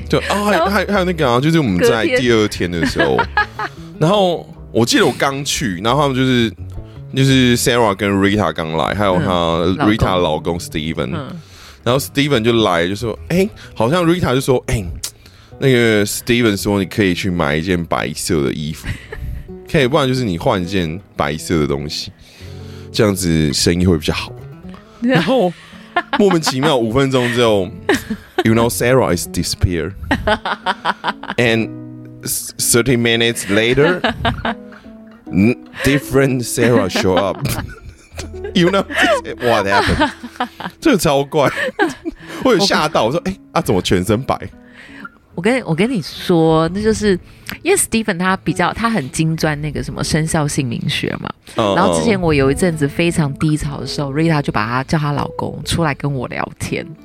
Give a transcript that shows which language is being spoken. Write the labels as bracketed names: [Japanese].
[Chinese] 对啊、哦，还有那个啊，就是我们在第二天的时候，然后我记得我刚去，然后他们就是 Sarah 跟 Rita 刚来，还有他 Rita 老公 Steven。然后 Steven 就来就说，哎、欸，好像 Rita 就说，哎、欸，那个 Steven 说你可以去买一件白色的衣服，可以，不然就是你换一件白色的东西，这样子生意会比较好。然后莫名其妙五分钟之后， [English] You know Sarah is disappear， and 30 minutes later， different Sarah show up。 You know what happened？ [Chinese] 这个超怪，我有吓到。我说：“哎、欸，啊，怎么全身白？” 我跟你说，那就是因为 Stephen 他比较他很精专那个什么生肖姓名学嘛。然后之前我有一阵子非常低潮的时候 ，Rita 就把他叫他老公出来跟我聊天。